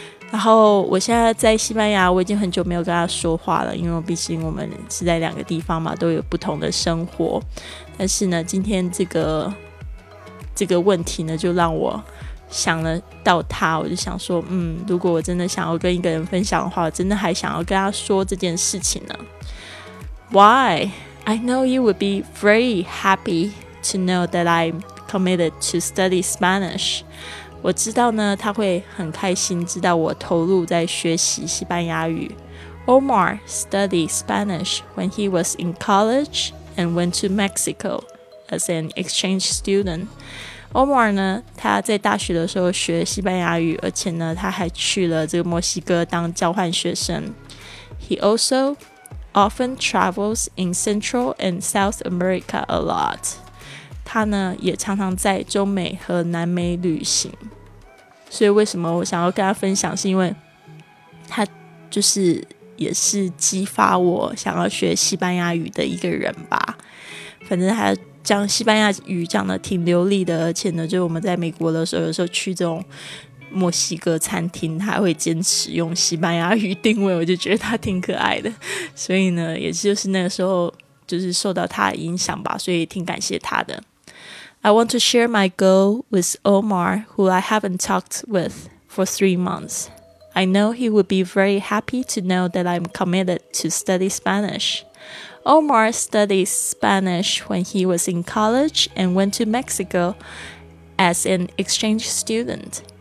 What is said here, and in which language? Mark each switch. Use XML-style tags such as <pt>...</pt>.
<zh>然后我现在在西班牙，我已经很久没有跟他说话了，因为毕竟我们是在两个地方嘛，都有不同的生活。但是呢今天这个问题呢就让我想了到他，我就想说如果我真的想要跟一个人分享的话，我真的还想要跟他说这件事情呢。</zh> <en>Why? I know you would be very happy to know that I'm committed to study Spanish.</en> <zh>我知道呢他会很开心知道我投入在学习西班牙语。</zh> <en>Omar studied Spanish when he was in college and went to Mexico as an exchange student.</en> <zh>Omar 呢他在大学的时候学西班牙语，而且呢他还去了这个墨西哥当交换学生。</zh> <en>He also often travels in Central and South America a lot.</en> <zh>他呢也常常在中美和南美旅行。所以为什么我想要跟他分享，是因为他就是也是激发我想要学西班牙语的一个人吧。反正他讲西班牙语讲的挺流利的，而且呢就我们在美国的时候，有时候去这种墨西哥餐厅他会坚持用西班牙语定位，我就觉得他挺可爱的。所以呢也就是那个时候就是受到他的影响吧，所以挺感谢他的。</zh> <en>I want to share my goal with Omar, who I haven't talked with for 3 months. I know he would be very happy to know that I'm committed to study Spanish. Omar studied Spanish when he was in college and went to Mexico as an exchange student.</en>